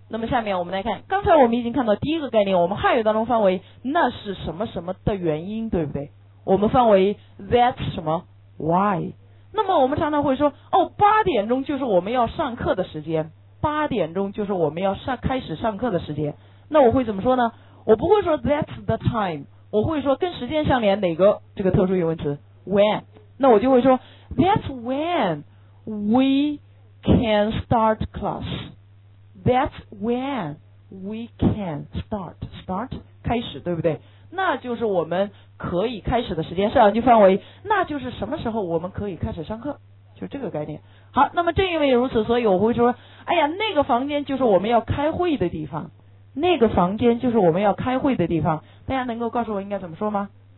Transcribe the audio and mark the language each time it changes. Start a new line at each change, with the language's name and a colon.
Chinese: 那么下面我们来看，刚才我们已经看到第一个概念，我们汉语当中范围那是什么什么的原因，对不对？我们范围 that's 什么 why， 那么我们常常会说哦，八点钟就是我们要上课的时间，八点钟就是我们要上开始上课的时间，那我会怎么说呢？我不会说
English: that's the time，
Chinese: 我会说跟时间相连哪个这个特殊疑问词 when， 那我就会说
English: that's when we can start class，That's when we can start.
Chinese: Start 开始，对不对？那就是我们可以开始的时间，上句范围那就是什么时候我们可以开始上课，就这个概念。好，那么正因为如此，所以我会说哎呀那个房间就是我们要开会的地方，那个房间就是我们要开会的地方，大家能够告诉我应该怎么说吗？